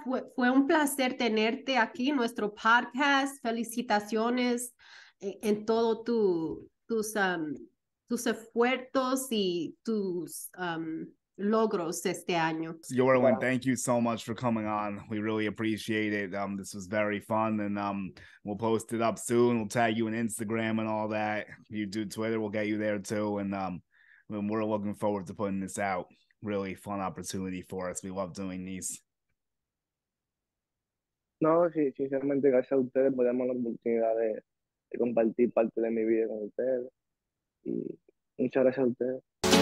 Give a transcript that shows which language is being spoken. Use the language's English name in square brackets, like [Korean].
[Spanish] Fue un placer tenerte aquí en nuestro podcast. Felicitaciones en todo tus esfuerzos y tus logros este año. [English] Yorlin, thank you so much for coming on. We really appreciate it. This was very fun, and we'll post it up soon. We'll tag you on Instagram and all that. If you do Twitter, we'll get you there too. And we're looking forward to putting this out. Really fun opportunity for us. We love doing these. [Spanish] No, sí, sinceramente, gracias a ustedes por darme la oportunidad de compartir parte de mi vida con ustedes. Y muchas gracias a ustedes.